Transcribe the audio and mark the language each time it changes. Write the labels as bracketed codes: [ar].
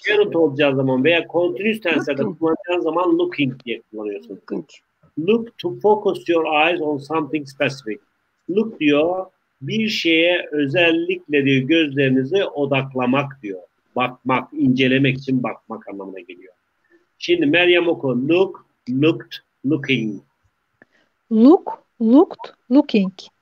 [tr] Gerund olacağı zaman veya continuous tense'de kullanacağı zaman looking diye kullanıyorsun. [en] Looking. Look to focus your eyes on something specific. [tr] Look diyor, bir şeye özellikle diyor gözlerinizi odaklamak diyor. Bakmak, incelemek için bakmak anlamına geliyor. Şimdi Meryem oku. [en] Look, looked, looking. Look, looked, looking.